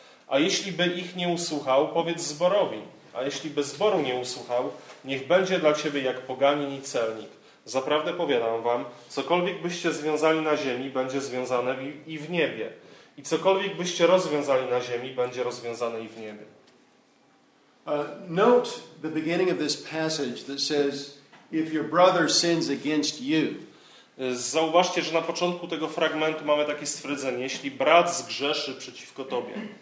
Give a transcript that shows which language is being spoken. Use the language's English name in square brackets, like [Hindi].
[Polish] A jeśli by ich nie usłuchał, powiedz zborowi. A jeśli by zboru nie usłuchał, niech będzie dla ciebie jak poganin i celnik. Zaprawdę powiadam wam, cokolwiek byście związali na ziemi, będzie związane i w niebie. I cokolwiek byście rozwiązali na ziemi, będzie rozwiązane i w niebie. [English] Note the beginning of this passage that says, if your brother sins against you. [Polish] Zauważcie, że na początku tego fragmentu mamy takie stwierdzenie: jeśli brat zgrzeszy przeciwko tobie,